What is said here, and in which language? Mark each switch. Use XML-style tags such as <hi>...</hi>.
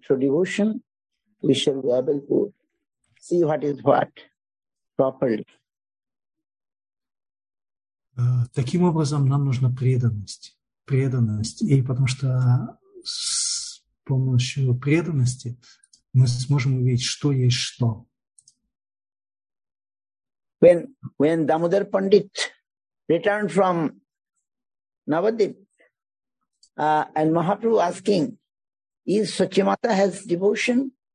<en>Through devotion, we shall be able to see what is what properly.</en> <ru>Таким образом, нам нужна преданность, и потому что с помощью преданности мы сможем увидеть, что есть что.</ru> <en>When Damodar Pandit returned from Navadvip, and Mahaprabhu asking, is Swachimata has devotion?</en>